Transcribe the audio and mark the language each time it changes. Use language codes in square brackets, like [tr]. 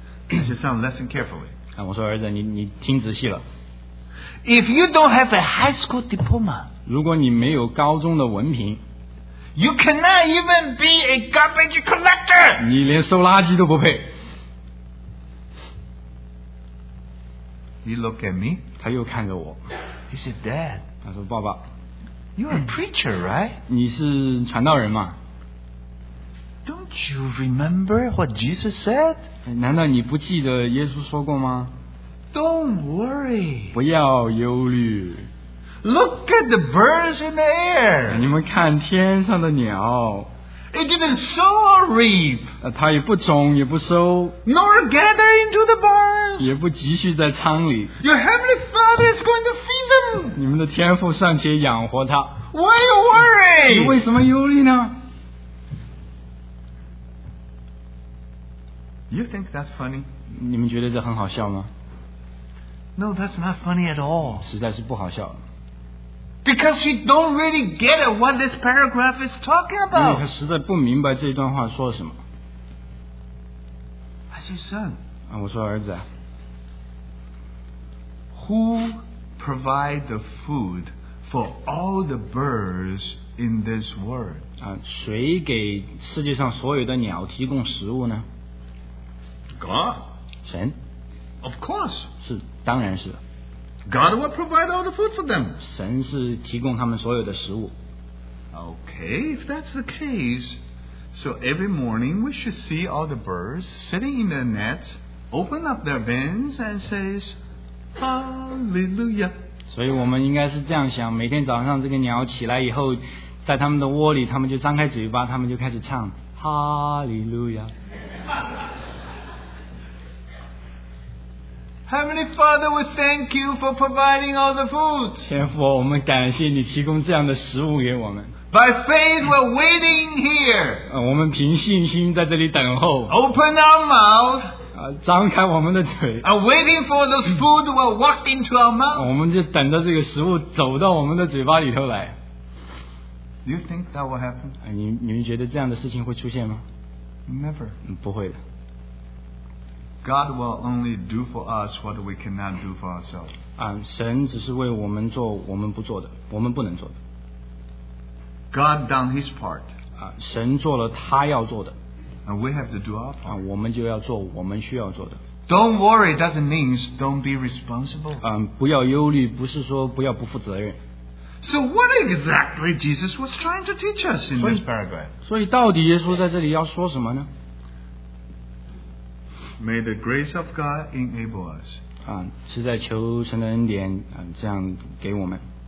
[en] Just sound listen carefully. [zh] 我说儿子，你听仔细了。 [en] If you don't have a high school diploma, [zh] 如果你没有高中的文凭。 [en] You cannot even be a garbage collector. [zh] 你连收垃圾都不配。 [en] He looked at me. [zh] 他又看着我。 [en] He said, "Dad." [zh] 他说，爸爸。 [en] You're a preacher, right? [zh] 你是传道人吗 [en] ？Don't you remember what Jesus said? [zh] 难道你不记得耶稣说过吗 [en] ？Don't worry. [zh] 不要忧虑。 [en] Look at the birds in the air. [zh] 你们看天上的鸟。 [en] It didn't sow or reap. [zh] 它也不种也不收。 [en] Nor gather into the barns. [zh] 也不积蓄在仓里。 [en] Your heavenly Father is going to feed them. [zh] 你们的天父尚且养活他。 [en] Why are you worried? [zh] 你为什么忧虑呢？ [en] You think that's funny? [zh] 你们觉得这很好笑吗？ [en] No, that's not funny at all. [zh] 实在是不好笑。 [en] Because he don't really get it what this paragraph is talking about. [zh] 他实在不明白这段话说什么。 [en] I said, son. [zh] 我说儿子。 [en] Who provide the food for all the birds in this world? [zh] 谁给世界上所有的鸟提供食物呢 [en] ？God. [zh] 神。 [en] Of course. [zh] 是，当然是。 [en] God will provide all the food for them. [zh] 神是提供他们所有的食物。 [en] Okay, if that's the case, so every morning we should see all the birds sitting in their nets, open up their wings and says, Hallelujah. [zh] 所以我们应该是这样想，每天早上这个鸟起来以后，在他们的窝里，他们就张开嘴巴，他们就开始唱 Hallelujah. [en] Heavenly Father, we thank you for providing all the food. [zh] 天父，我们感谢你提供这样的食物给我们。 [en] By faith, we're waiting here. [zh] 我们凭信心在这里等候。 [en] Open our mouth. [zh] 张开我们的嘴。 [en] Are waiting for those food will walk into our mouth. [zh] 我们就等着这个食物走到我们的嘴巴里头来。 [en] Do you think that will happen? [zh] 你们觉得这样的事情会出现吗 [en] ？Never. [zh] 不会的。 [en] God will only do for us what we cannot do for ourselves. [zh] 神只是为我们做我们不做的，我们不能做的。 [en] God done His part. [zh] 神做了他要做的。 [en] And we have to do our part. [zh] 我们就要做我们需要做的。 [en] Don't worry doesn't mean don't be responsible. [zh] 不要忧虑不是说不要不负责任。 [en] So what exactly Jesus was trying to teach us in this paragraph? [zh] 所以到底耶稣在这里要说什么呢？ [en] May the grace of God enable us. [zh] 是在求神的恩典，这样给我们。